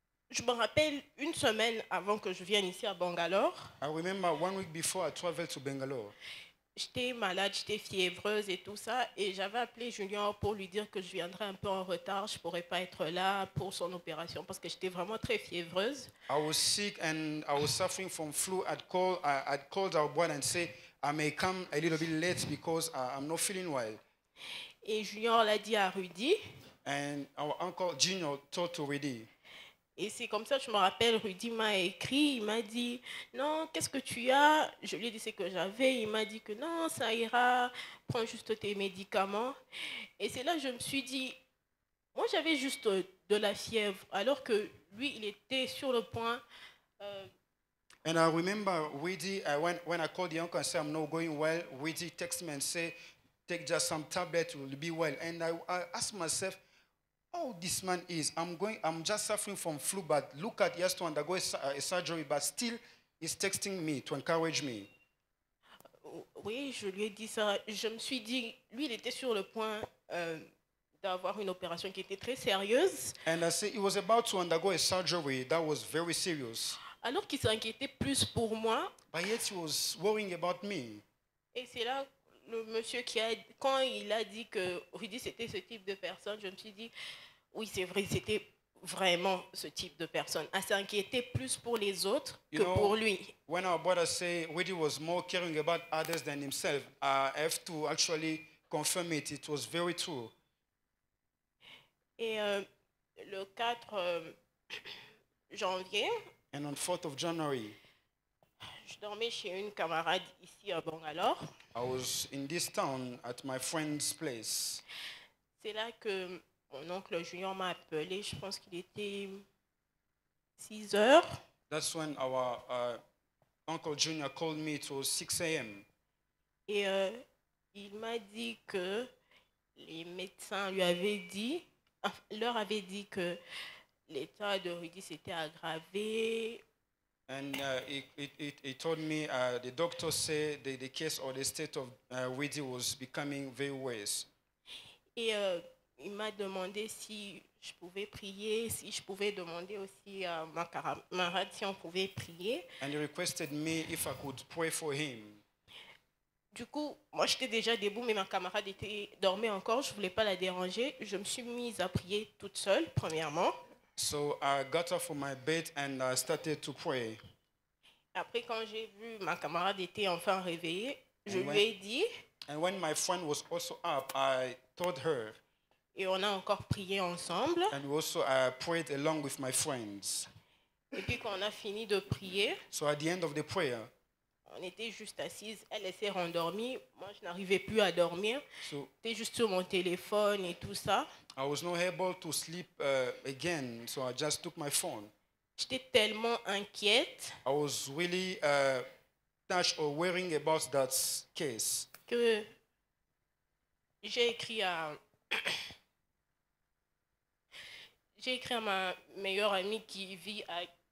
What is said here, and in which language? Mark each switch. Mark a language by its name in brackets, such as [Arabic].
[French] Je me rappelle une semaine avant que je vienne ici à Bangalore. [English] I remember one week before I traveled to Bangalore. [French] J'étais malade, j'étais fiévreuse et tout ça, et j'avais appelé Junior pour lui dire que je viendrais un peu en retard, je pourrais pas être là pour son opération parce que j'étais vraiment très fiévreuse. [English] I was sick and I was suffering from flu. I'd called our boy and say I may come a little bit late because I'm not feeling well. [French] Et Junior l'a dit à Rudy. [English] And our uncle Junior told to Rudy. [French] Et c'est comme ça, je me rappelle, Rudy m'a écrit, il m'a dit, non, qu'est-ce que tu as? Je lui ai dit ce que j'avais, il m'a dit que non, ça ira, prends juste tes médicaments. Et c'est là que je me suis dit, moi j'avais juste de la fièvre, alors que lui, il était sur le point. [English] And I remember, Rudy, when I called the uncle and said, I'm not going well, Rudy texted me and said, take just some tablet, will be well. And I asked myself, oh, this man is, I'm just suffering from flu, but look at, he has to undergo a surgery, but still, he's texting me to encourage me. [French] Oui, je lui ai dit ça. Je me suis dit, lui, il était sur le point d'avoir une opération qui était très sérieuse. [English] And I said, he was about to undergo a surgery that was very serious. [French] Alors qu'il s'inquiétait plus pour moi. [English] But yet he was worrying about me. [French] Et c'est là le monsieur qui a, quand il a dit que Rudy c'était ce type de personne, je me suis dit, oui c'est vrai, c'était vraiment ce type de personne. À s'inquiéter plus pour les autres que pour lui. [English] When our brother say Rudy was more caring about others than himself, I have to actually confirm it. It was very true. [French] Et le 4 janvier. [English] And on 4th of January. [French] Je dormais chez une camarade ici à Bangalore. [English] I was in this town at my friend's place. [French] C'est là que mon oncle Junior m'a appelé. Je pense qu'il était 6 heures. [English] That's when our uncle Junior called me. It was 6 a.m. [French] Et il m'a dit que les médecins lui avaient dit, leur avaient dit que l'état de Rudy s'était aggravé. [English] And he told me the doctor said that the case or the state of Rudy was becoming very worse. [French] Et il m'a demandé si je pouvais prier, si je pouvais demander aussi à ma camarade si on pouvait prier. [English] And he requested me if I could pray for him. [French] Du coup, moi j'étais déjà debout, mais ma camarade était dormait encore. Je voulais pas la déranger. Je me suis mise à prier toute seule, premièrement. [English] So I got off of my bed and I started to pray. [French] Après, quand j'ai vu ma camarade était enfin réveillée, je lui ai dit. [English] And when my friend was also up, I told her. [French] Et on a encore prié ensemble. [English] And we also prayed along with my friends. [French] Et puis quand on a fini de prier. [English] So at the end of the prayer. [French] On était juste assises, elle s'est rendormie, moi je n'arrivais plus à dormir. So, j'étais juste sur mon téléphone et tout ça. [English] I was not able to sleep again, so I just took my phone. [French] J'étais tellement inquiète. [English] I was really touched or worrying about that case. [French] Que j'ai écrit à ma meilleure amie qui vit à